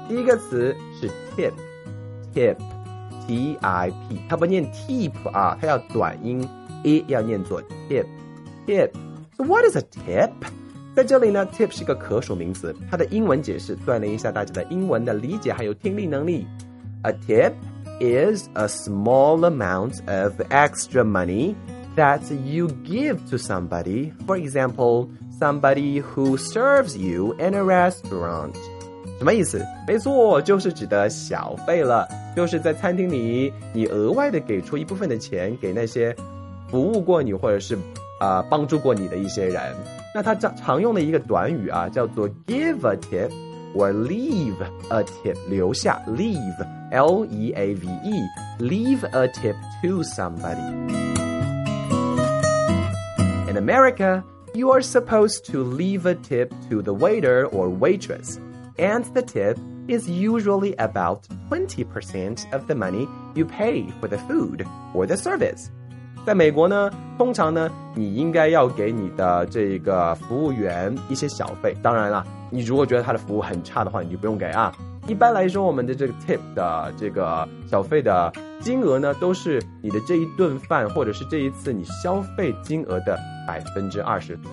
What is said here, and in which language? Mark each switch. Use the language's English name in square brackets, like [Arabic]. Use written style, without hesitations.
[Chinese] 第一个词是 tip, T-I-P, 它不念 tip 啊，它要短音 ,E 要念作 tip. [English] So what is a tip? [Chinese] 在这里呢 ,tip 是一个可数名词，它的英文解释锻炼一下大家的英文的理解还有听力能力。 [English] A tip is a small amount of extra money,that you give to somebody, for example, somebody who serves you in a restaurant. [Chinese] 什么意思？没错，就是指的小费了，就是在餐厅里你额外的给出一部分的钱给那些服务过你或者是帮助过你的一些人。那他常用的一个短语啊，叫做 [English] give a tip or leave a tip, [Chinese] 留下 leave, L-E-A-V-E, [English] leave a tip to somebody. In America, you are supposed to leave a tip to the waiter or waitress, and the tip is usually about 20% of the money you pay for the food or the service. [Chinese] 在美国呢，通常呢，你应该要给你的这个服务员一些小费。当然了，你如果觉得他的服务很差的话，你就不用给啊。一般来说，我们的这个 tip 的这个小费的金额呢，都是你的这一顿饭或者是这一次你消费金额的20%。